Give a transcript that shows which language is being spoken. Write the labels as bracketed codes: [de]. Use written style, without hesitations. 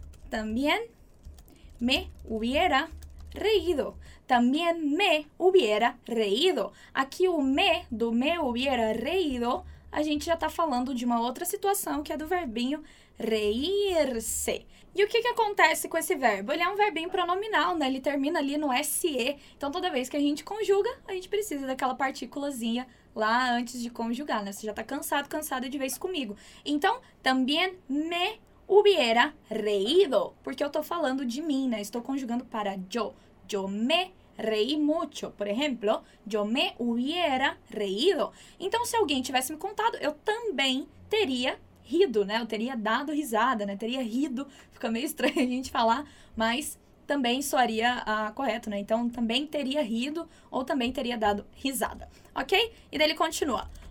[es] También me hubiera reído. También me hubiera reído. [pt] Aqui o me do [es] me hubiera reído, [pt] a gente já está falando de uma outra situação que é do verbinho reír-se. E o que que acontece com esse verbo? Ele é um verbinho pronominal, né? Ele termina ali no se. Então, toda vez que a gente conjuga, a gente precisa daquela partículazinha lá antes de conjugar, né? Você já está cansada de vez comigo. Então, [es] también me hubiera reído, [pt] porque eu tô falando de mim, né? Estou conjugando para yo. [es] Yo me reí mucho, [pt] por exemplo. [es] Yo me hubiera reído. [pt] Então, se alguém tivesse me contado, eu também teria rido, né? Eu teria dado risada, né? Teria rido. Fica meio estranho a gente falar, mas também soaria correto, né? Então, também teria rido ou também teria dado risada, ok? E daí ele continua.